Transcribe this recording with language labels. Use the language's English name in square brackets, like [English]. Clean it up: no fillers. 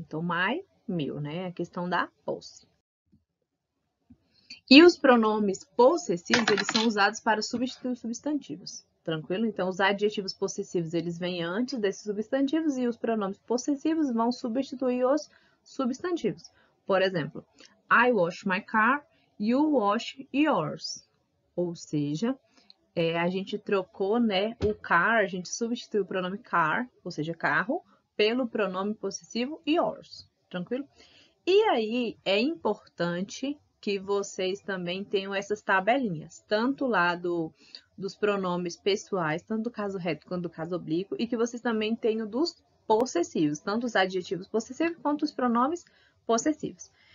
[Portuguese] Então, my, meu, né? É a questão da posse. E os pronomes possessivos, eles são usados para substituir os substantivos. Tranquilo? Então, os adjetivos possessivos, eles vêm antes desses substantivos e os pronomes possessivos vão substituir os substantivos. Por exemplo, [English] I wash my car, you wash yours. [Portuguese] Ou seja, a gente trocou, né, o car, a gente substituiu o pronome car, ou seja, carro, pelo pronome possessivo yours, tranquilo? E aí é importante que vocês também tenham essas tabelinhas, tanto lá dos pronomes pessoais, tanto do caso reto quanto do caso oblíquo, e que vocês também tenham dos possessivos, tanto os adjetivos possessivos quanto os pronomes possessivos.